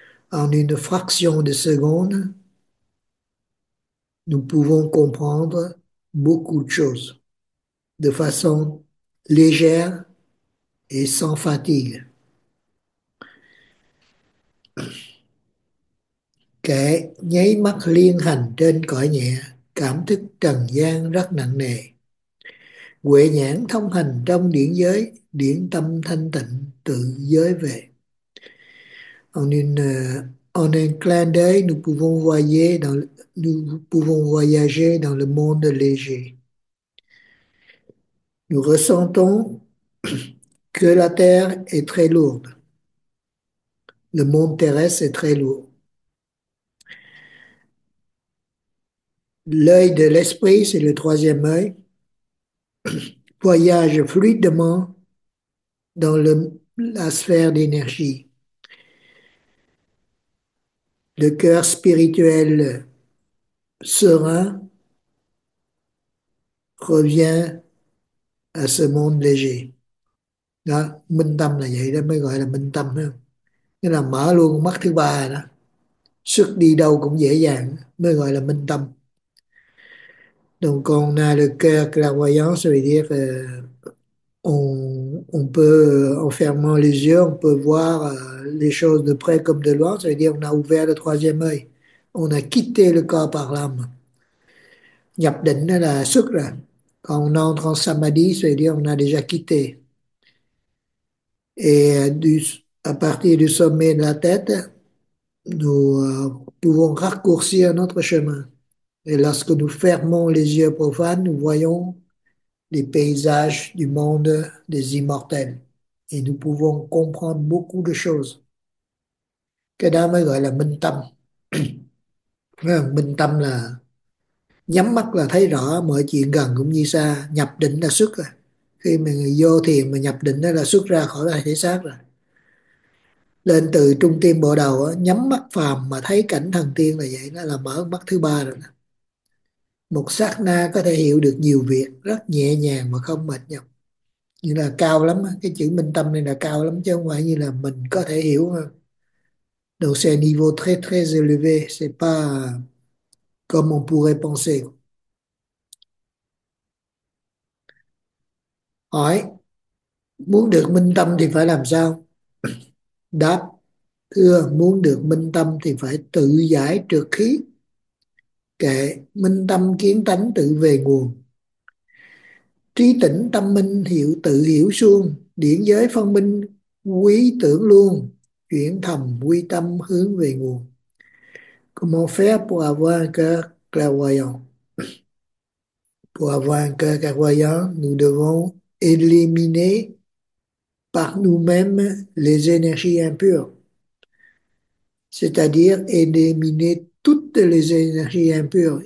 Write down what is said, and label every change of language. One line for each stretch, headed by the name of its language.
French: En une fraction de seconde, nous pouvons comprendre beaucoup de choses de façon légère et sans fatigue.
Vietnamese: Kẻ nháy mắt liên hành trên cõi nhẹ, cảm thức trần gian rất nặng nề. Huệ nhãn thông hành trong điển giới, điển tâm thanh tịnh tự giới về.
French: En un clin d'œil, nous pouvons voyager dans le monde léger. Nous ressentons que la terre est très lourde. Le monde terrestre est très lourd. L'œil de l'esprit, c'est le troisième œil, voyage fluidement dans la sphère d'énergie. Le cœur spirituel serein revient à ce monde léger.
Vietnamese: Đó, minh tâm là vậy đó, mới gọi là minh tâm. Đó. Nghĩa là mở luôn mắt thứ ba đó. Sức đi đâu cũng dễ dàng, mới gọi là minh tâm.
French: Donc on a le cœur clairvoyant, ça veut dire on peut, en fermant les yeux, on peut voir les choses de près comme de loin, ça veut dire on a ouvert le troisième œil. On a quitté le corps par l'âme.
Vietnamese: Nhập định đó là xuất rồi.
French: Quand on entre en samadhi, ça veut dire on a déjà quitté. Et à partir du sommet de la tête, nous pouvons raccourcir notre chemin. Et lorsque nous fermons les yeux profanes, nous voyons les paysages du monde des immortels. Et nous pouvons comprendre beaucoup de choses.
Vietnamese: Cái đó mới gọi là minh tâm. Minh tâm là nhắm mắt là thấy rõ mọi chuyện gần cũng như xa. Nhập định là xuất rồi. Khi mà người vô thiền mà nhập định đó là xuất ra khỏi cái thể xác rồi. Lên từ trung tim bộ đầu đó, nhắm mắt phàm mà thấy cảnh thần tiên là vậy. Đó là mở mắt thứ ba rồi đó. Một sát na có thể hiểu được nhiều việc rất nhẹ nhàng mà không mệt nhọc, như là cao lắm, cái chữ minh tâm này là cao lắm chứ không phải như là mình có thể hiểu hơn.
French: Donc c'est niveau très très élevé, c'est pas comme on pourrait penser.
Vietnamese: Hỏi, muốn được minh tâm thì phải làm sao? Đáp, thưa, muốn được minh tâm thì phải tự giải trược khí. Kệ, minh tâm kiến tánh tự về nguồn. Trí tỉnh tâm minh hiệu tự hiểu suông, điển giới phân minh quý tưởng luôn, chuyển thầm quy tâm hướng về nguồn.
French: Comment faire pour avoir un cœur clairvoyant? Pour avoir un cœur clairvoyant, nous devons éliminer par nous-mêmes les énergies impures, c'est-à-dire éliminer toutes les énergies impures.